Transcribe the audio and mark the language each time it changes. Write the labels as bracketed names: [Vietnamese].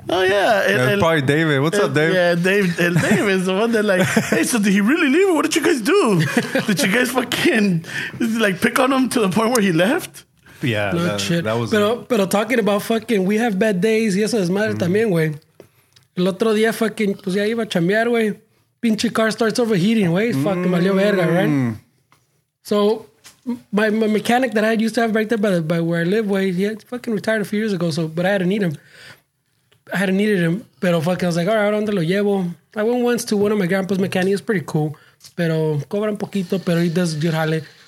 [English] Oh, yeah. It's probably David. What's up, Dave? Yeah, Dave is the one that like, hey, so did he really leave or what did you guys do? Did you guys fucking like pick on him to the point where he left? Yeah, that was. Pero talking about fucking, we have bad days. [Spanish] Y eso es madre también, güey. El otro día fucking, pues ya iba a chambear, güey. [English] Pinche car starts overheating, güey. Fuck, [Spanish] valió verga, [English] right? So my mechanic that I used to have right there by where I live, güey, he had fucking retired a few years ago. So, but I hadn't needed him. Pero fucking, I was like, all right, [Spanish] ¿dónde lo llevo? [English] I went once to one of my grandpa's mechanics. It's pretty cool. [Spanish] Pero cobra un poquito, pero [English] he does good jale.